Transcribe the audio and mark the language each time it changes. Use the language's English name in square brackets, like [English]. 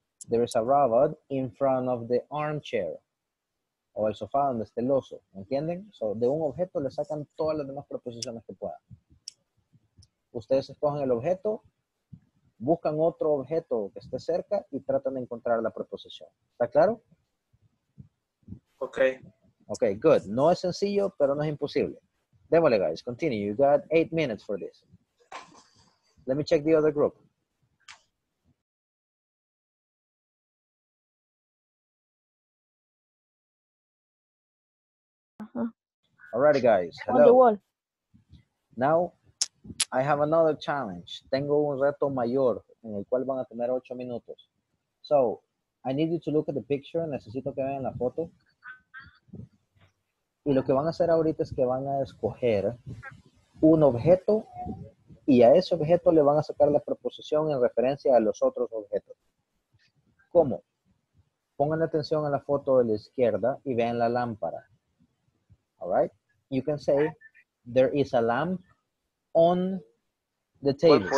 [English] There is a robot in front of the armchair. [Spanish] O el sofá donde esté el oso. ¿Entienden? So, de un objeto le sacan todas las demás preposiciones que puedan. Ustedes escogen el objeto, buscan otro objeto que esté cerca y tratan de encontrar la preposición. ¿Está claro? [English] Ok. Ok, good. [Spanish] No es sencillo, pero no es imposible. Démosle, guys. Continue. [English] You got 8 minutes for this. Let me check the other group. Alrighty, guys. Hello. On the wall. Now, I have another challenge. [Spanish] Tengo un reto mayor en el cual van a tener 8 minutos. [English] So, I need you to look at the picture. [Spanish] Necesito que vean la foto. Y lo que van a hacer ahorita es que van a escoger un objeto y a ese objeto le van a sacar la preposición en referencia a los otros objetos. ¿Cómo? Pongan atención a la foto de la izquierda y vean la lámpara. [English] All right? You can say, there is a lamp on the table.